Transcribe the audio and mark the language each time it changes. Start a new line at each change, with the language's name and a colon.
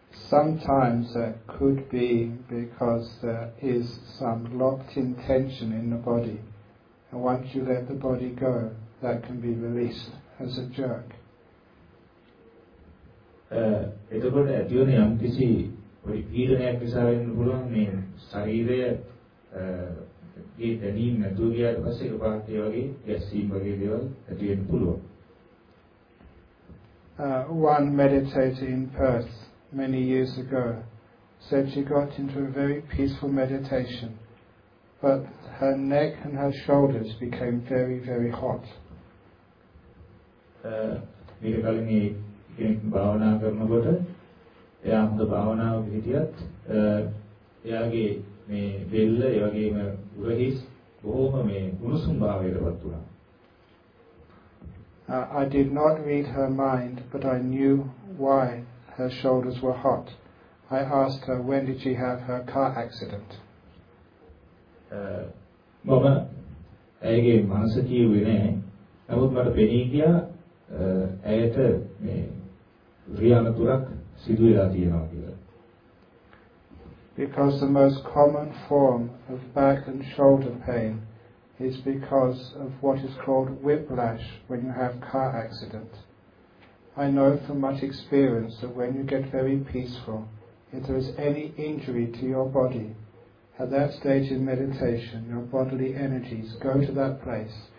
English: Sometimes that could be because there is some locked-in tension in the body, and once you let the body go, that can be released as a jerk.
Sinhala: එතකොට ඇති වෙන යම් කිසි පීඩනයක් නිසා වෙන්න පුළුවන් මේ ශරීරය ඒ දැනීම නැතුව ගියාට පස්සේ ඒ පාට ඒ වගේ ගැස්සීම් වගේ දේවල් ඇති වෙන්න පුළුවන්.
English: One meditator in Perth many years ago said she got into a very peaceful meditation, but her neck and her shoulders became very, very hot.
Sinhala: මේක කලින් මේ කෙනෙක් භාවනා කරනකොට එයා හොඳ භාවනාවක හිටියත් එයාගේ මේ වෙල්ල ඒ වගේම උරහිස් බොහොම මේ උණුසුම් භාවයකට පත් වුණා.
English: I did not read her mind, but I knew why her shoulders were hot. I asked her, when did she have her car accident?
Sinhala: Mama, ඇයගේ මනස කියුවේ නැහැ. නමුත් මට පෙනී ගියා ඇයට මේ රියනතුරක් සිදු වෙලා තියෙනවා කියලා.
English: Because the most common form of back and shoulder pain is because of what is called whiplash when you have car accident. I know from much experience that when you get very peaceful, if there is any injury to your body, at that stage in meditation, your bodily energies go to that place.